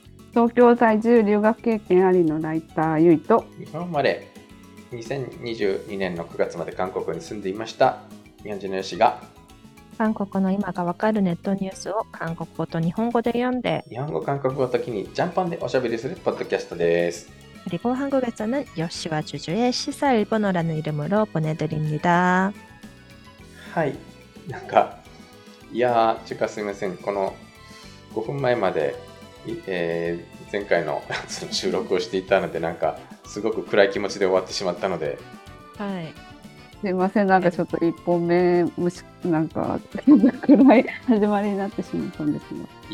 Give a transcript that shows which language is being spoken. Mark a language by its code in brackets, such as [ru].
[ja] 東京在住、留学経験ありのライター、ユイと、日本生まれ、2022年の9月まで韓国に住んでいました、日本人のヨシが、韓国の今がわかるネットニュースを韓国語と日本語で読んで、日本語、韓国語ときにジャンパンでおしゃべりするポッドキャストです。 [ko] 그리고한국에서는요시와주주의시사일본어라는이름으로보내드립니다 [ja] はい、なんか、いやー、ちゅうかすみません、この5分前まで、前回の収録をしていたので、なんか、すごく暗い気持ちで終わってしまったので、はい。すいません、なんかちょっと1本目、なんか、暗い始まりになってしまったんですけど。